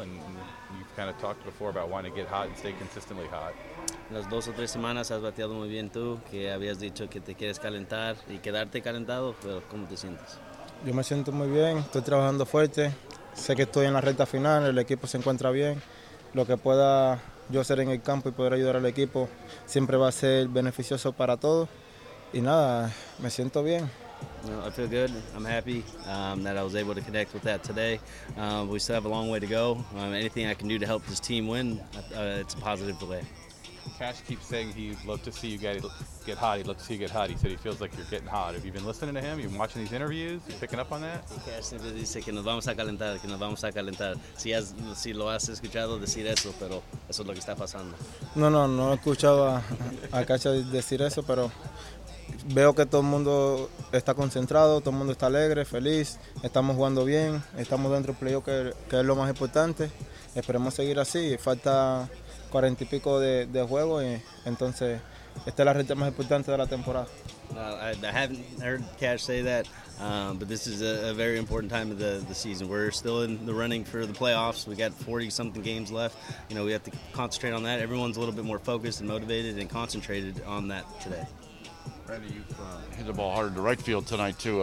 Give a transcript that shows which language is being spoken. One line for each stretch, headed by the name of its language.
English: And you've kind of talked before about wanting to get hot and stay consistently hot.
Spanish: Las dos o tres semanas has bateado muy bien tú, que habías dicho que te quieres calentar y quedarte calentado, pero ¿cómo te sientes? Yo me siento muy bien, estoy trabajando fuerte, sé que estoy en la recta final, el equipo se encuentra bien. Lo que pueda yo hacer en el campo y poder ayudar al equipo siempre va a ser beneficioso para todos. Y nada, me siento bien.
English: I feel good. I'm happy that I was able to connect with that today. We still have a long way to go. Anything I can do to help this team win, it's a positive delay. Cash keeps saying he'd love to see you get hot. He'd love to see you get hot. He said he feels like you're getting hot. Have you been listening to him? You've been watching these interviews? You picking up on that?
Spanish: Cash siempre dice que nos vamos a calentar, que nos vamos a calentar. Si lo has escuchado decir eso, pero eso es lo que está pasando. No he escuchado a Cash decir eso, pero veo que todo el mundo está concentrado, todo el mundo está alegre, feliz. Estamos jugando bien, estamos dentro del playoff, que es lo más importante. Esperemos seguir así. Falta 40 y pico de juego, y entonces esta es la recta más importante de la temporada.
English: I haven't heard Cash say that, but this is a very important time of the season. We're still in the running for the playoffs. We got 40 something games left. You know, we have to concentrate on that. Everyone's a little bit more focused and motivated and concentrated on that today. Randy, you've hit the ball hard to right field tonight too.